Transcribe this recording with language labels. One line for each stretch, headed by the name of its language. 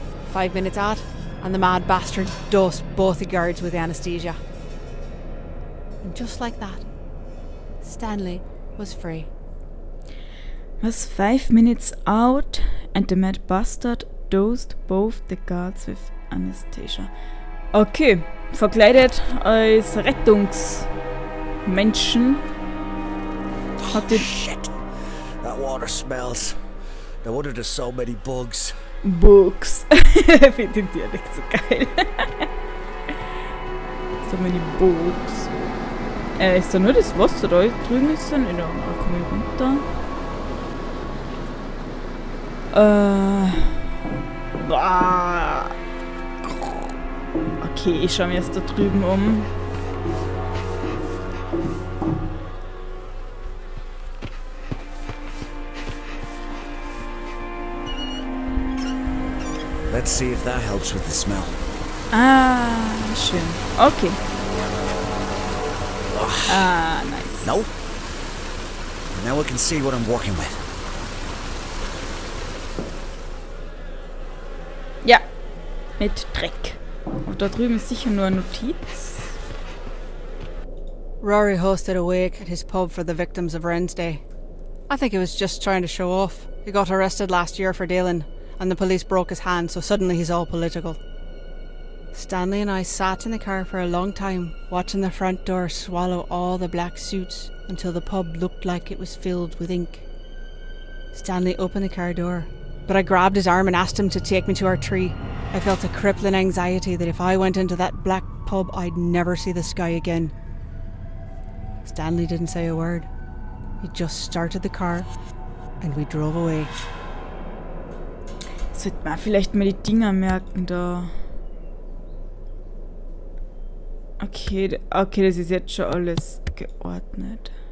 English: 5 minutes out, and the mad bastard dosed both the guards with anesthesia. And just like that, Stanley was free. Was 5 minutes out and the mad bastard dosed both the guards with anesthesia.
German: Okay, verkleidet als Rettungsmenschen.
English: Hatte oh, shit! That water smells. No wonder there's so many bugs.
German: Bugs. Find den Dialekt so geil.
English: So many bugs.
German: Ist da nur das Wasser da drüben ist dann? Ja, dann komm ich runter. Okay, ich schau mir jetzt da drüben um.
English: Let's see if that helps with the smell.
German: Ah, schön. Okay. Ugh.
English: Ah, nice. Nope. Now I can see what I'm working with.
German: Ja. Mit Dreck. Und da drüben ist sicher nur eine Notiz.
English: Rory hosted a wake at his pub for the victims of Wednesday. I think he was just trying to show off. He got arrested last year for dealing, and the police broke his hand, so suddenly he's all political. Stanley and I sat in the car for a long time, watching the front door swallow all the black suits until the pub looked like it was filled with ink. Stanley opened the car door, but I grabbed his arm and asked him to take me to our tree. I felt a crippling anxiety that if I went into that black pub, I'd never see the sky again. Stanley didn't say a word. He just started the car and we drove away.
German: Sollte man vielleicht mal die Dinger merken da. Okay, das ist jetzt schon alles geordnet.